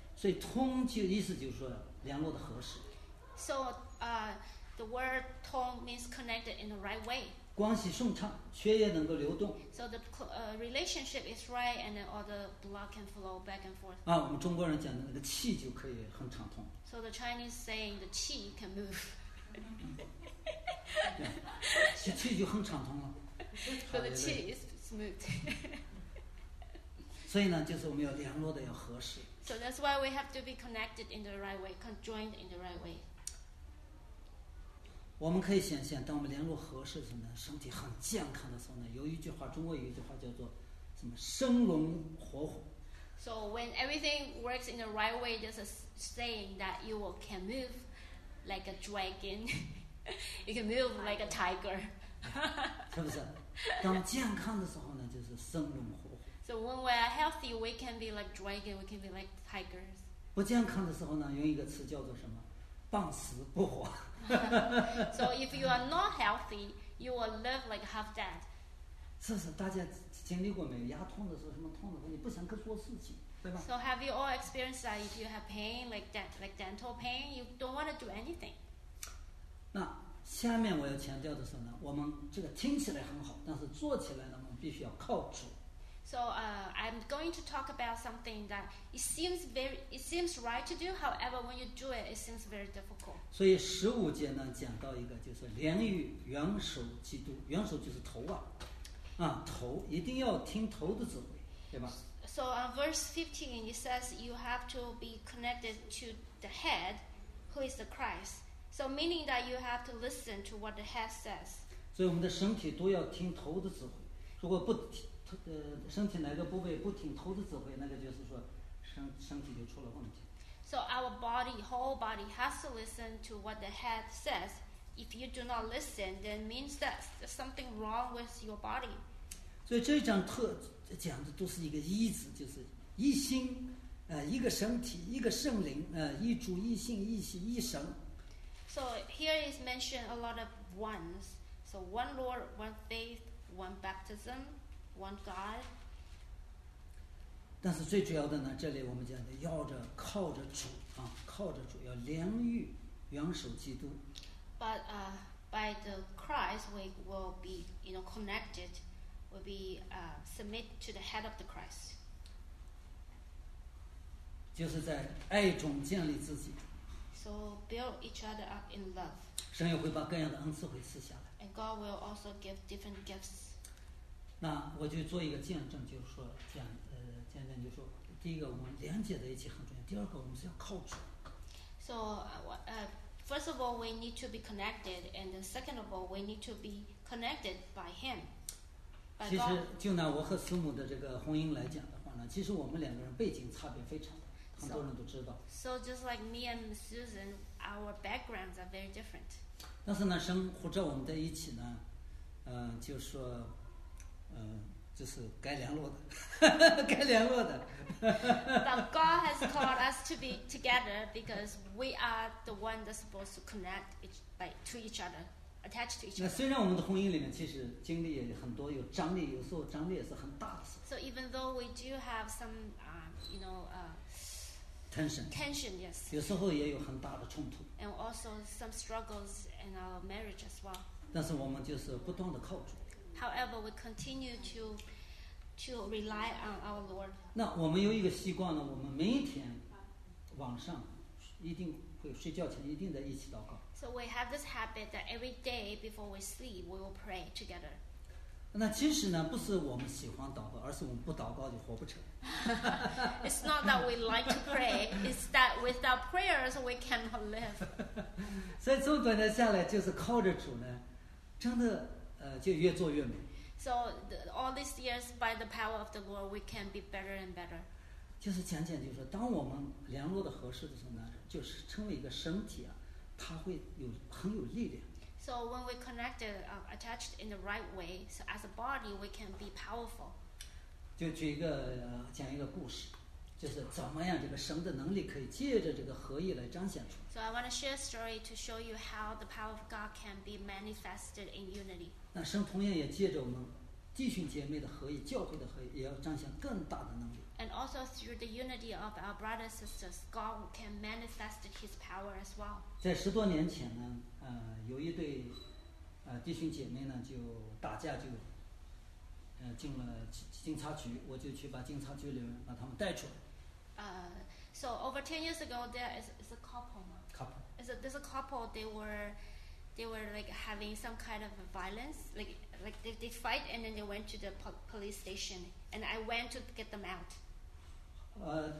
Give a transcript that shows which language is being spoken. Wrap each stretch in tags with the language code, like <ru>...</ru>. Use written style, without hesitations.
<zh>所以通就意思就是说联络的合适。</zh> <en>So the word 通 means connected in the right way.</en> <zh>关系顺畅，血液能够流动。</zh> <en>So the relationship is right, and then all the blood can flow back and forth.</en> <zh>啊，我们中国人讲的那个气就可以很畅通。</zh> <en>So the Chinese saying the 气 can move.</en> <zh>对，气就很畅通了。</zh> <en>So the 气 is smooth.</en> <zh>所以呢，就是我们要联络的要合适。</zh> <en>So that's why we have to be connected in the right way, conjoined in the right way.</en> <zh>我们可以想象，当我们联络合适时呢，身体很健康的时候呢，有一句话，中国有一句话叫做什么"生龙活虎"。</zh> <en>So when everything works in the right way, there's a saying that you can move like a dragon. You can move like a tiger.</en> <zh>是不是？当健康的时候呢，就是生龙活虎。</zh> <en>So when we are healthy, we can be like dragon, we can be like tigers.</en> <zh>不健康的时候呢，用一个词叫做什么？半死不活。</zh> <en>So if you are not healthy, you will live like half dead.</en> <zh>是不是？大家经历过没有？牙痛的时候，什么痛的时候，你不想做事情。</zh> <en>So have you all experienced that if you have pain like that, like dental pain, you don't want to do anything?</en> <zh>那下面我要强调的是呢，我们这个听起来很好，但是做起来呢，我们必须要靠主。</zh> <en>So I'm going to talk about something that it seems right to do. However, when you do it seems very difficult.</en> <zh>所以十五节呢，讲到一个就是连于元首基督，元首就是头啊，啊头一定要听头的指挥，对吧？</zh> <en>So on verse 15, it says you have to be connected to the head, who is the Christ. So meaning that you have to listen to what the head says.</en> <zh>所以我们的身体都要听头的指挥。如果不身体哪个部位不听头的指挥，那个就是说身体就出了问题。</zh> <en>So our body, whole body, has to listen to what the head says. If you do not listen, then means that there's something wrong with your body.</en> <zh>所以这张特讲的都是一个一子，就是一心，一个身体，一个圣灵，一主一心一心一神。</zh> <en>So here is mentioned a lot of ones. So one Lord, one faith, one baptism, one God.</en> <zh>但是最主要的呢，这里我们讲的要着靠着主啊，靠着主要连于元首基督。</zh> <en>But by the Christ we will be, you know, connected. Will be submit to the head of the Christ.</en> <zh>就是在爱中建立自己。</zh> <en>So build each other up in love.</en> <zh>神也会把各样的恩赐会赐下来。</zh> <en>And God will also give different gifts.</en> <zh>那我就做一个见证，就是说见证就是说，第一个我们连接在一起很重要，第二个我们是要靠主。</zh> <en>So first of all, we need to be connected, and then second of all, we need to be connected by Him.</en> <zh>其实就拿我和师母的这个婚姻来讲的话呢，其实我们两个人背景差别非常大，很多人都知道。</zh> <en>So just like me and Susan, our backgrounds are very different.</en> <zh>但是呢，生活着我们在一起呢，就说，就是该联络的，该联络的。</zh> <en>But God has called us to be together because we are the one that's supposed to connect to each other. Attached to each other.</en> <zh>那虽然我们的婚姻里面其实经历也很多，有张力，有时候张力也是很大的事。</zh> <en>So even though we do have some, you know, tension, yes.</en> <zh>有时候也有很大的冲突。</zh> <en>And also some struggles in our marriage as well.</en> <zh>但是我们就是不断的靠主。</zh> <en>However, we continue to rely on our Lord.</en> <zh>那我们有一个习惯呢，我们每一天晚上一定会睡觉前一定在一起祷告。</zh> <en>So we have this habit that every day before we sleep, we will pray together.</en> <zh>那其实呢，不是我们喜欢祷告，而是我们不祷告就活不成。</zh> <en>It's not that we like to pray; it's that without prayers, we cannot live.</en> <zh>所以这么短的下来，就是靠着主呢，真的就越做越美。</zh> <en>So all these years, by the power of the Lord, we can be better and better.</en> <zh>就是讲讲，就是说，当我们联络的合适的时候呢，就是成为一个身体啊。它会有很有力量。</zh> <en>So when we connected, attached in the right way, so as a body, we can be powerful.</en> <zh>就举一个讲一个故事，就是怎么样这个神的能力可以借着这个合一来彰显出来。</zh> <en>So I want to share a story to show you how the power of God can be manifested in unity.</en> <zh>那神同样也借着我们弟兄姐妹的合一，教会的合一，也要彰显更大的能力。</zh> <en>And also through the unity of our brothers and sisters, God can manifest His power as well.</en> <zh>在十多年前呢，有一对弟兄姐妹呢就打架，就进了警察局，我就去把警察局里面把他们带出来。</zh> <en>So over 10 years ago, there's a couple. They were like having some kind of violence, like they fight, and then they went to the police station, and I went to get them out.</en>